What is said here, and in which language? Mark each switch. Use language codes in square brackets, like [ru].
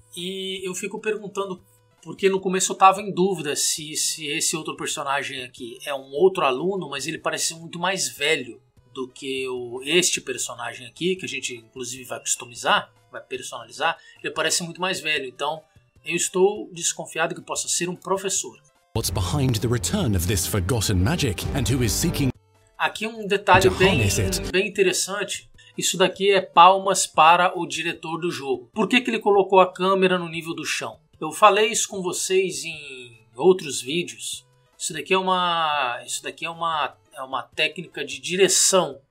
[pt] E eu fico perguntando, porque no começo eu estava em dúvida se esse outro personagem aqui é um outro aluno, mas ele parece muito mais velho do que este personagem aqui, que a gente inclusive vai customizar, vai personalizar, ele parece muito mais velho, então... eu estou desconfiado que possa ser um professor. [en] What's behind the return of this forgotten magic and who is seeking... [pt] Aqui um detalhe bem interessante. Isso daqui é palmas para o diretor do jogo. Por que ele colocou a câmera no nível do chão? Eu falei isso com vocês em outros vídeos. Isso daqui é uma técnica de direção.